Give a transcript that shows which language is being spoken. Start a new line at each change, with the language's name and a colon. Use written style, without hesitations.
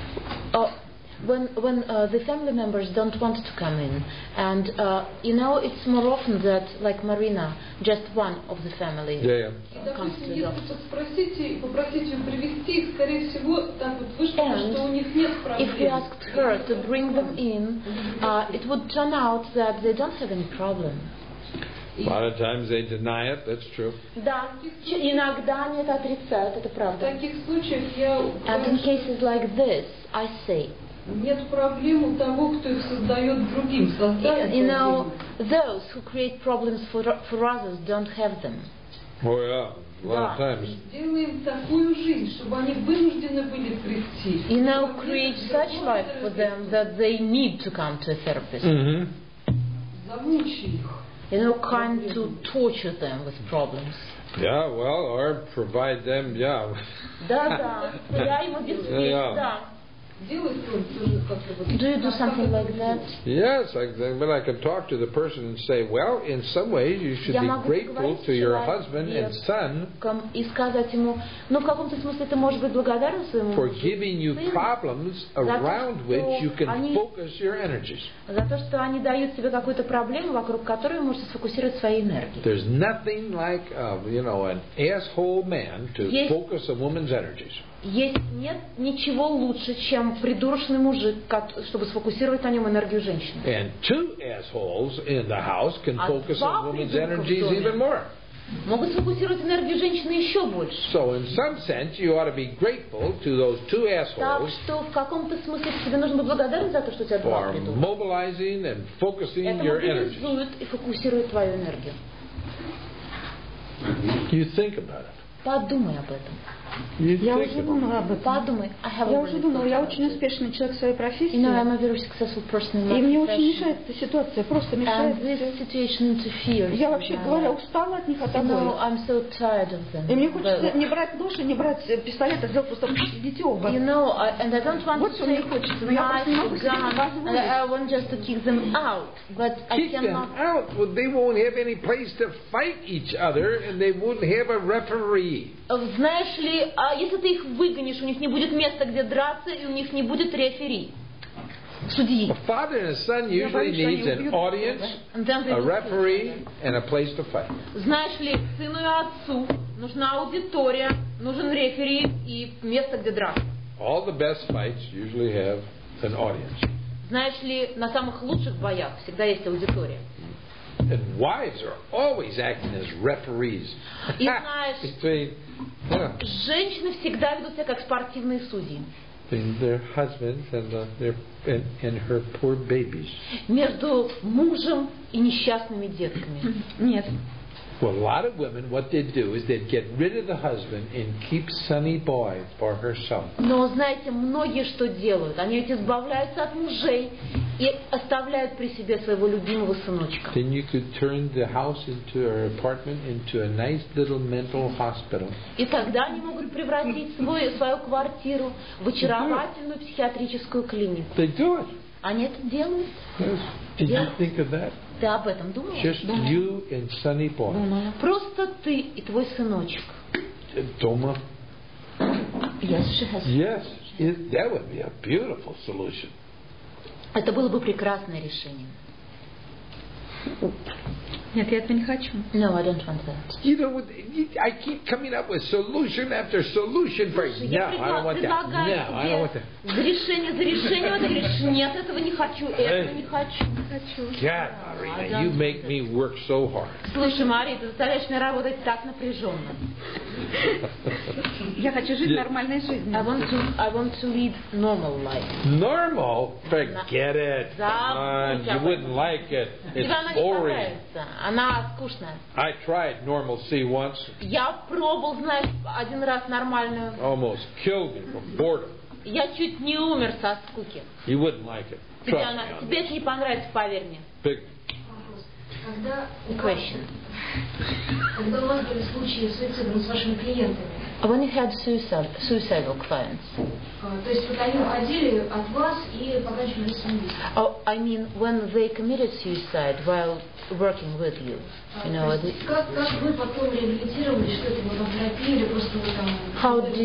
English: When the family members don't want to come in, and you know, it's more often that, like Marina, just one of the family comes to the office. If you asked her to bring them in, it would turn out that they don't have any problem. A lot of times they deny it, that's true.
Russian: Да, иногда они это отрицают, это правда.
English: And in cases like this, I say,
Russian: нет проблем у того, кто их создает другим.
English: You know, those who create problems for others don't have them. Oh yeah, a lot of times.
Russian: Сделаем такую жизнь, чтобы они вынуждены были прийти.
English: You know, create such life for them that they need to come to a therapist.
Russian: Замучи их.
English: You know, kind to torture them with problems. Yeah, well, or provide them, yeah.
Russian: Да, да, я ему действительно, да.
English: Do you do something like that? Yes, but I can talk to the person and say, well, in some ways you should be grateful to your husband and son for giving you problems around which you can focus your energies.
Russian: За то, что они дают тебе какую-то проблему, вокруг которой вы можете сфокусировать свои энергии.
English: There's nothing like an asshole man to focus a woman's energies.
Russian: Есть нет ничего лучше, чем придурочный мужик, чтобы сфокусировать на нем энергию женщины.
English: And two assholes in the house can focus on women's energies even more.
Russian: Могут сфокусировать энергию женщины еще больше.
English: So in some sense you ought to be grateful to those two assholes.
Russian: Так что в каком-то смысле тебе нужно быть благодарен за то, что у тебя два придурка.
English: For mobilizing and focusing your energy.
Russian: Это мобилизует и фокусирует твою энергию.
English: You think about it.
Russian: Подумай об этом. Я уже думала об этом. Подумай. Я уже думала. Я очень успешный человек в своей профессии.
English: You know, I'm a very successful person in my profession.
Russian: И мне очень мешает эта ситуация. Просто мешает.
English: And this situation interferes.
Russian: Я вообще говоря, устала от них, от обоих.
English: You know, I'm so tired of them.
Russian: И мне хочется не брать нож и не брать пистолет, а сделать просто дети оба.
English: You know, and I don't want
Russian: вот
English: to take my gun. And I want just to kick them out, but kick I cannot. Kick them out? Well, they won't have any place to fight each other, and they won't have a referee.
Russian: Знаешь ли, а если ты их выгонишь, у них не будет места, где драться, и у них не будет рефери, судьи.
English: A father and a son usually needs an audience, a referee, and a place to fight.
Russian: Знаешь ли, сыну и отцу нужна аудитория, нужен рефери и место, где драться.
English: All the best fights usually have an audience.
Russian: Знаешь ли, на самых лучших боях всегда есть аудитория.
English: And wives are always acting as referees.
Russian: Женщины всегда ведут себя как спортивные судьи.
English: Their husbands and their and her poor babies.
Russian: Между мужем и несчастными детками. Нет.
English: Well, a lot of women, what they'd do is they'd get rid of the husband and keep Sonny Boy for herself.
Russian: Но знаете, многие что делают? Они ведь избавляются от мужей и оставляют при себе своего любимого сыночка.
English: Then you could turn the house into her apartment into a nice little mental hospital.
Russian: И тогда они могут превратить свою квартиру в очаровательную психиатрическую клинику.
English: They do it.
Russian: Они это делают.
English: Yes. Did you think of that?
Russian: Ты об этом думала?
English: Just you and Sonny Boy.
Russian: Просто ты и твой сыночек. Дома?
English: Yes, she has. Yes, that would be a beautiful solution.
Russian: Это было бы прекрасное решение. Нет, я этого не хочу.
English: No, I don't want that. You know, I keep coming up with solution after solution for you. No, I don't want that.
Russian: За решение, за решение, ты говоришь, нет, этого не хочу,
English: God, Марина, you make me work so hard.
Russian: Слушай, Мария, ты заставляешь меня работать так напряженно. Я хочу жить нормальной жизнью.
English: I want to lead normal life. Normal? Forget it. You wouldn't like it. It's boring.
Russian: Она скучная.
English: I tried normal sea once.
Russian: Я пробовал, знаешь, один раз нормальную.
English: Almost killed me from boredom.
Russian: Я чуть не умер со скуки.
English: You wouldn't like it.
Russian: Тебе это не понравится, поверь мне.
English: Big question.
Russian: Когда у вас были случаи суицида с вашими клиентами?
English: When you had suicidal clients?
Russian: То есть вот они уходили от вас и покончили самоубийством?
English: Oh, I mean, when they committed suicide while working with you, you know.
Russian: Как вы потом реабилитировали, что это было в терапии или просто вы там?